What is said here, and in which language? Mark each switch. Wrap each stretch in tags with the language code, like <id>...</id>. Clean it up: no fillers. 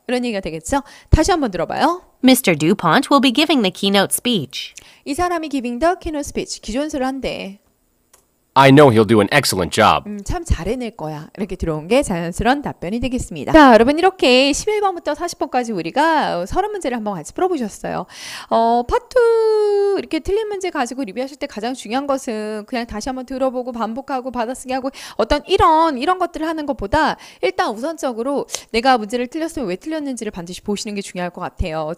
<ko>이런 얘기가 되겠죠? 다시 한번 들어봐요.</ko> <en>Mr. DuPont will be giving the keynote speech.</en> <ko>이 사람이</ko> <en>giving the keynote speech.</en> <ko>기조연설을 한대.</ko> <en>I know he'll do an excellent job.</en> <ko>참 잘해낼 거야. 이렇게 들어온 게 자연스러운 답변이 되겠습니다. 자, 여러분 이렇게 11번부터 40번까지 우리가 30문제를 한번 같이 풀어보셨어요. 파트 이렇게 틀린 문제 가지고 리뷰하실 때 가장 중요한 것은 그냥 다시 한번 들어보고 반복하고 받아쓰기 하고 어떤 이런 것들을 하는 것보다 일단 우선적으로 내가 문제를 틀렸으면 왜 틀렸는지를 반드시 보시는 게 중요할 것 같아요.</ko>